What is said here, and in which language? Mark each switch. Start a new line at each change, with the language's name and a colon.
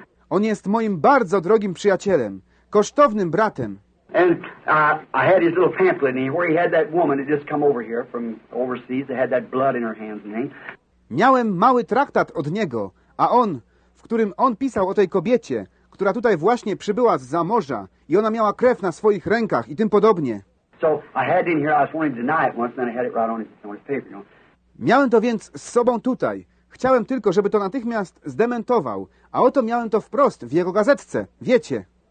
Polish: On jest moim bardzo drogim przyjacielem, kosztownym bratem.
English: And I had his little pamphlet in where he had that woman that just come over here from overseas that had that blood in her hands and things.
Polish: Miałem mały traktat od niego, a on, w którym on pisał o tej kobiecie, która tutaj właśnie przybyła zza morza i ona miała krew na swoich rękach i tym podobnie.
English: So I had it in here, I was wanting to deny it once, then I had it right on his paper, you know.
Polish: Miałem to więc z sobą tutaj. Chciałem tylko, żeby to natychmiast zdementował, a oto miałem to wprost w jego gazetce, wiecie.